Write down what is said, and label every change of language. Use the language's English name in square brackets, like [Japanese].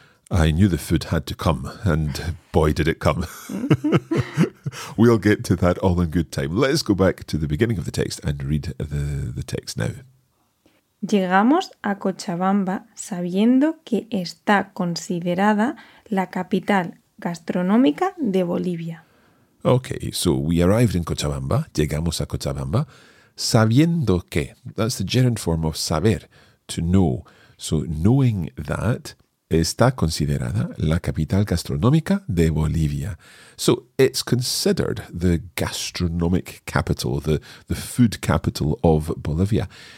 [English] I knew the food had to come, and boy did it come. We'll get to that all in good time. Let's go back to the beginning of the text and read the text now. [Spanish] Llegamos a Cochabamba sabiendo que está considerada la capital gastronómica de Bolivia. [English] Okay, so we arrived in Cochabamba. [Spanish] Llegamos a Cochabamba sabiendo que. [English] That's the gerund form of saber, to know. So knowing that [Spanish] está considerada la capital gastronómica de Bolivia. [English] So it's considered the gastronomic capital, the food capital of Bolivia.